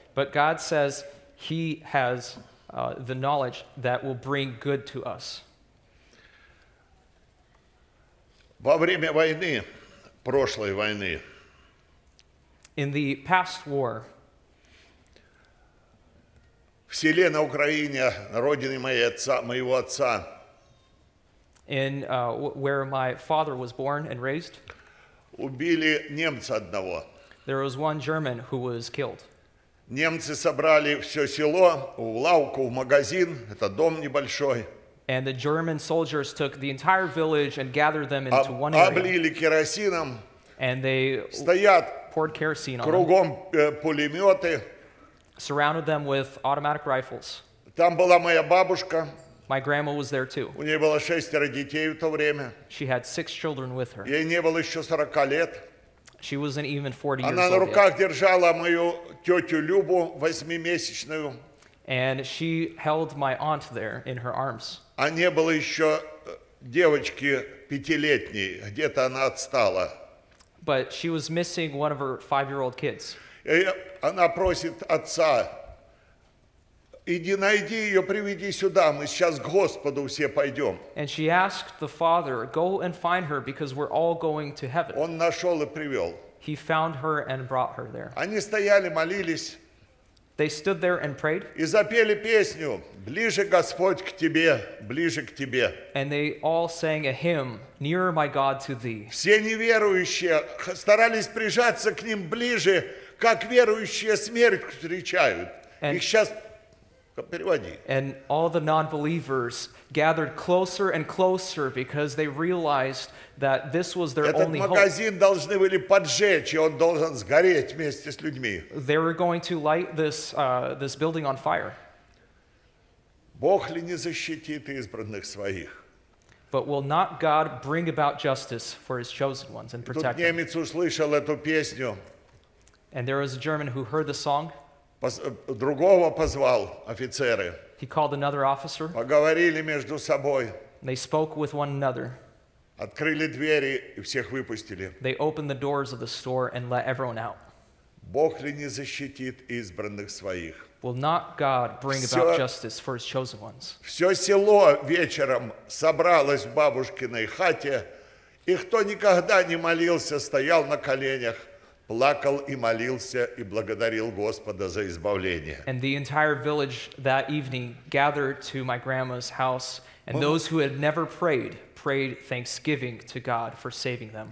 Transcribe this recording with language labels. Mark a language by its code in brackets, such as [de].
[en] But God says he has the knowledge that will bring good to us. [ru] Во время войны, прошлой войны. [en] In the past war. [ru] В селе на Украине, на родине моего отца. [en] In where my father was born and raised. [ru] Убили немца одного. [en] There was one German who was killed. [ru] Немцы собрали все село в лавку, в магазин, это дом небольшой. [en] And the German soldiers took the entire village and gathered them into one area. [ru] Облили керосином. [en] And they [ru] стоят, [en] poured kerosene [ru] кругом, [en] on them. [ru] Пулеметы. [en] Surrounded them with automatic rifles. [ru] Там была моя бабушка. [en] My grandma was there too. [ru] У неё было шестеро детей в то время. [en] She had six children with her. [ru] Ей не было ещё 40 лет. [en] She wasn't even 40 [ru] Она [en] years old [ru] на руках [en] yet. [ru] Держала мою тётю Любу, восьмимесячную. [en] And she held my aunt there in her arms. [ru] А не было ещё девочки пятилетней, где-то она отстала. [en] But she was missing one of her five-year-old kids. [ru] И она просит отца, иди найди ее, приведи сюда, мы сейчас к Господу все пойдем. [en] And she asked the father, go and find her, because we're all going to heaven. [ru] Он нашел и привел. [en] He found her and brought her there. [ru] Они стояли, молились. [en] They stood there and prayed. [ru] И запели песню: ближе Господь к тебе, ближе к тебе. [en] And they all sang a hymn: nearer my God to thee. [ru] Все неверующие старались прижаться к ним ближе, как верующие смерть встречают. Их сейчас переводи. [en] And all the non-believers gathered closer and closer because they realized that this was their [ru] Этот [en] only hope. [ru] Этот магазин должны были поджечь, и он должен сгореть вместе с людьми. [en] They were going to light this this building on fire. [ru] Бог ли не защитит избранных своих? [en] But will not God bring about justice for His chosen ones and protect them? [ru] Тут немец услышал эту песню. [en] And there was a German who heard the song. [ru] Другого позвал офицеры. [en] He called another officer. [ru] Поговорили между собой. [en] They spoke with one another. [ru] Открыли двери и всех выпустили. [en] They opened the doors of the store and let everyone out. [ru] Бог ли не защитит избранных своих? [en] Will not God bring about justice for His chosen ones? [ru] Все село вечером собралось в бабушкиной хате, и кто никогда не молился, стоял на коленях, плакал и молился и благодарил Господа за избавление. [en] And the entire village that evening gathered to my grandma's house, and those who had never prayed prayed thanksgiving to God for saving them.